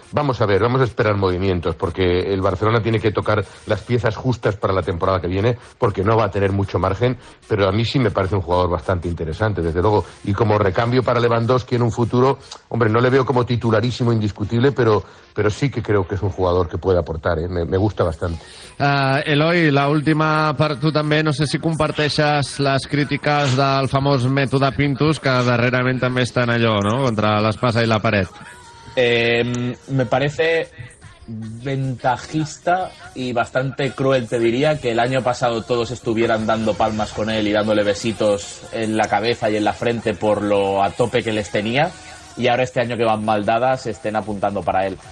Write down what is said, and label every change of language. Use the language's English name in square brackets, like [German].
[Spanish] Vamos a ver, vamos a esperar movimientos porque el Barcelona tiene que tocar las piezas justas para la temporada que viene porque no va a tener mucho margen, pero a mí sí me parece un jugador bastante interesante, desde luego. Y como recambio para Lewandowski en un futuro, hombre, no le veo como titularísimo indiscutible, pero sí que creo que es un jugador que puede aportar, ¿eh? Me gusta bastante. [Catalan] Eloy, la última per tu també, no sé si comparteixes les crítiques del famós mètode Pintus, que darrerament també estan allò, no?, contra l'espasa i la paret. [Spanish] Me parece ventajista y bastante cruel, te diría, que el año pasado todos estuvieran dando palmas con él y dándole besitos en la cabeza y en la frente por lo a tope que les tenía, y ahora este año que van mal dadas estén apuntando para él.